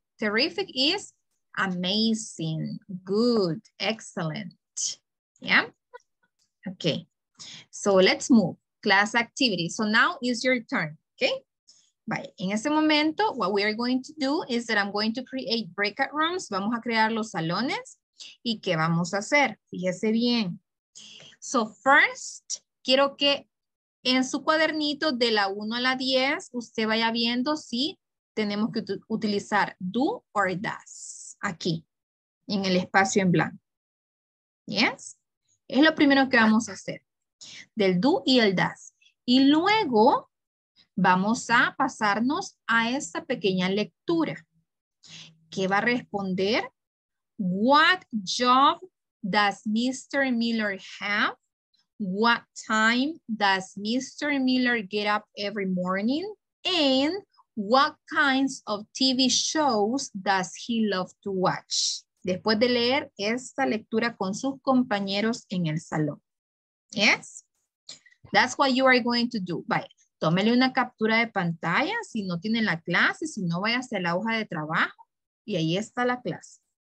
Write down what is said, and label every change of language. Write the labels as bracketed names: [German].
[English] Terrific is amazing, good, excellent. Yeah. Okay. So let's move. Class activity. So now is your turn. Okay. [Spanish] Vale, en ese momento, [English] what we are going to do is that I'm going to create breakout rooms. [Spanish] Vamos a crear los salones. ¿Y qué vamos a hacer? Fíjese bien. [English] So first, [Spanish] quiero que en su cuadernito de la 1 a la 10, usted vaya viendo si tenemos que utilizar [English] do or does [Spanish] aquí, en el espacio en blanco. Yes? Es lo primero que vamos a hacer, del do y el does. Y luego... vamos a pasarnos a esta pequeña lectura. ¿Qué va a responder? [English] What job does Mr. Miller have? What time does Mr. Miller get up every morning? And what kinds of TV shows does he love to watch? [Spanish] Después de leer esta lectura con sus compañeros en el salón. Yes? [English] That's what you are going to do. Bye. [Spanish] Tómele una captura de pantalla si no tiene la clase, si no vaya hacia la hoja de trabajo y ahí está la clase.